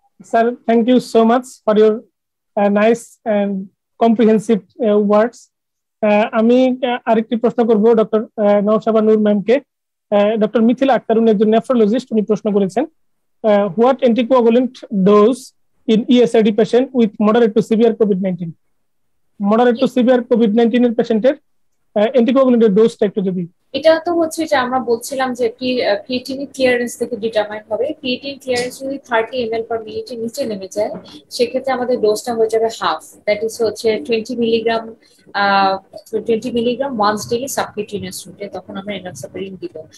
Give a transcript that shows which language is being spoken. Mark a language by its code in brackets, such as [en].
[en] Sir thank you so much for your nice and comprehensive words. [bn] আমি আরেকটি প্রশ্ন করব ডক্টর নসাবা নূর ম্যামকে। ডক্টর মিথিলা আক্তার, উনি একজন নেফ্রোলজিস্ট, উনি প্রশ্ন করেছেন, [en] What anticoagulant dose in ESRD patient with moderate to severe COVID-19. Moderate to severe COVID-19 in patient এর anticoagulant dose টা [bn] একটু যদি। এটা তো হচ্ছে যে আমরা বলছিলাম যে কি creatinine clearance থেকে determine হবে। creatinine clearance যদি 30 ml per minute নিচে নেমে যায়, সেক্ষেত্রে আমাদের ডোজটা হয়ে যাবে হাফ, দ্যাট ইজ হচ্ছে 20 milligram, 20 milligram once daily subcutaneous রুটে, তখন আমরা এনাক্সাপিরিন দিব।